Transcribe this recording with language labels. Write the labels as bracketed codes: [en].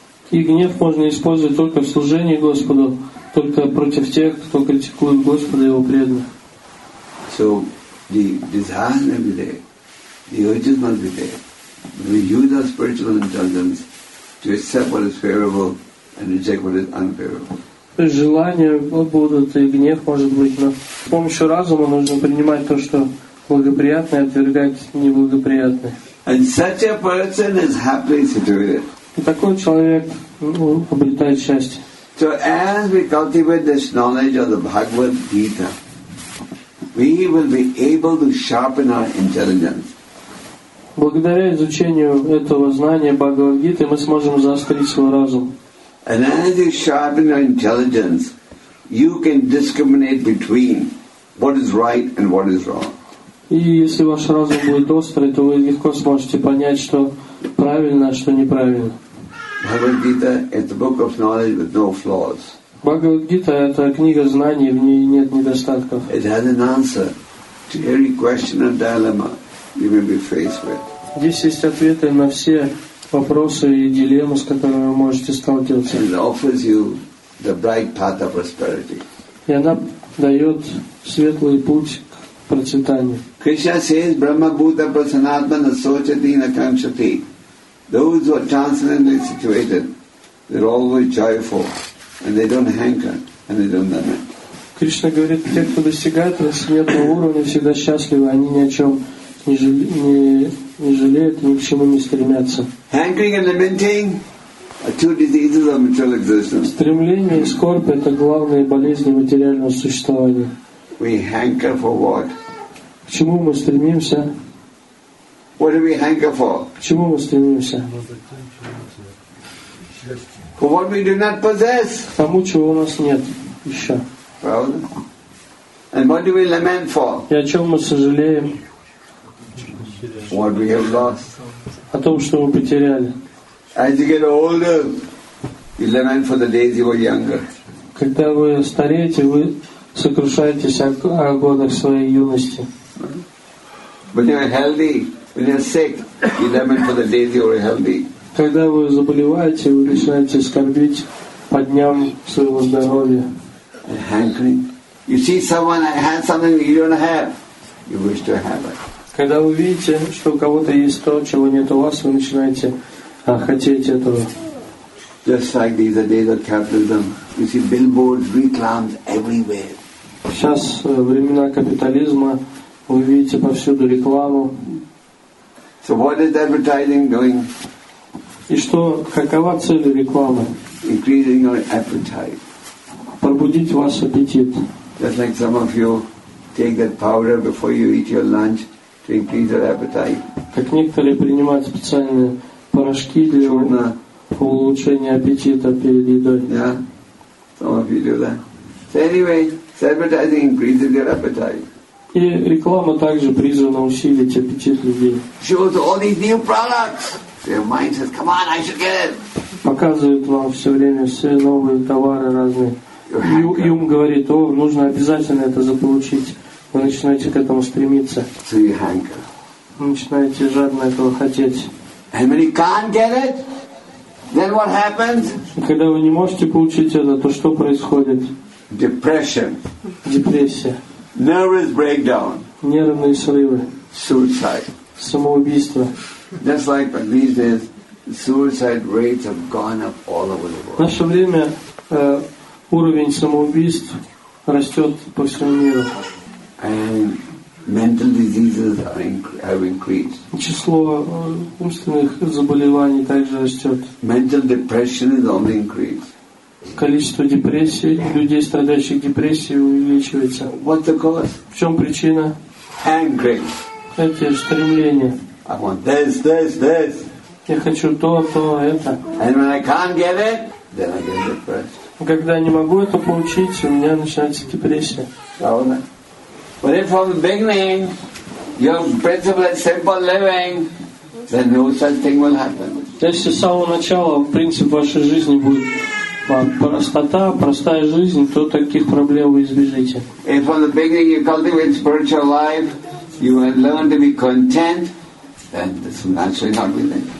[ru] И гнев можно использовать только в служении Господу, только против тех, кто критикует Господа и его преданных. [en] So the desire must be there, the urges must be there. We use our spiritual intelligence to accept what is favorable and reject what is unfavorable. [ru] То есть желания будут и гнев может быть, но с помощью разума нужно принимать то, что благоприятное, и отвергать неблагоприятное. [en] And such a person is happily situated. [ru] И такой человек обретает счастье. [en] So as we cultivate this knowledge of the Bhagavad Gita, we will be able to sharpen our intelligence. [ru] Благодаря изучению этого знания Бхагавад Гиты мы сможем заострить свой разум. [en] And as you sharpen your intelligence, you can discriminate between what is right and what is wrong. [ru] И если ваш разум будет острый, то вы легко сможете понять, что правильно, а что неправильно. [en] Bhagavad Gita is a book of knowledge with no flaws. [ru] Bhagavad Gita — это книга знаний, в ней нет недостатков. [en] It has an answer to every question or dilemma you may be faced with. [ru] Здесь есть ответы на все вопросы и дилеммы, с которыми вы можете сталкиваться. [en] And offers you the bright path of prosperity. [ru] И она дает светлый путь к процветанию. [en] Krishna says, Brahma Bhuta Prasanatmana Sochati Nakanshati. Those who are transcendently situated, they're always joyful, and they don't hanker, and they don't lament. [ru] Кришна говорит, те, кто достигает трансцендентного уровня, всегда счастливы, они ни о чем не жалеют, ни к чему не стремятся. [en] Hankering and lamenting are two diseases of material existence. [ru] Стремление и скорбь — это главные болезни материального существования. [en] We hanker for what? [ru] К чему мы стремимся? [en] What do we hanker for? [ru] К чему мы стремимся? [en] For what we do not possess. [ru] К тому, чего у нас нет еще. Правда? [en] And what do we lament for? [ru] И о чем мы сожалеем? [en] What we have lost. [ru] О том, что мы потеряли. [en] As you get older, you lament for the days you were younger. [ru] Когда вы стареете, вы сокрушаетесь о годах своей юности. [en] When you are healthy, when you are sick, you lament for the days you were healthy. [ru] Когда вы заболеваете, вы начинаете скорбить по дням своего здоровья. [en] And hankering. You see someone has something you don't have, you wish to have it. [ru] Когда вы видите, что у кого-то есть то, чего нет у вас, вы начинаете хотеть этого. [en] Just like these are days of capitalism. You see billboards, reclams everywhere. [ru] Сейчас времена капитализма, вы видите повсюду рекламу. [en] So what is advertising doing? [ru] И что, какова цель рекламы? [en] Increasing your appetite. [ru] пробудить ваш аппетит. [en] Just like some of you take that powder before you eat your lunch to increase your appetite. [ru] Как некоторые принимают специальные порошки для улучшения аппетита перед едой. [en] Yeah, some of you do that. So anyway, advertising increases your appetite. [ru] И реклама также призвана усилить аппетит людей. [en] Shows all these new products. Their mind says, "Come on, I should get it." [ru] Показывают вам все время все новые товары разные. Ум говорит, о, нужно обязательно это заполучить. Вы начинаете к этому стремиться. [en] So you hanker. [ru] Вы начинаете жадно этого хотеть. [en] And when you can't get it, then what happens? [ru] Когда вы не можете получить это, то что происходит? [en] Depression. [ru] Депрессия. [en] Nervous breakdown. [ru] Нервные срывы. [en] Suicide. [ru] Самоубийство. [en] Just like these days, suicide rates have gone up all over the world. [ru] В наше время уровень самоубийств растет по всему миру. [en] And mental diseases have increased. [ru] Число умственных заболеваний также растет. [en] Mental depression is only increased. [ru] Количество депрессии, людей, страдающих депрессией, увеличивается. [en] What's the cause? [ru] В чем причина? [en] Hankering. [ru] Эти стремления. [en] I want this, this, this. [ru] Я хочу то, то, это. [en] And when I can't get it, then I get depressed. [ru] Когда я не могу это получить, у меня начинается депрессия. [en] But if from the beginning your principle is simple living, then no such thing will happen. [ru] Если с самого начала принцип вашей жизни будет простота, простая жизнь, то таких проблем вы избежите. [en] If from the beginning you cultivate spiritual life, you will learn to be content, then this will naturally not be there.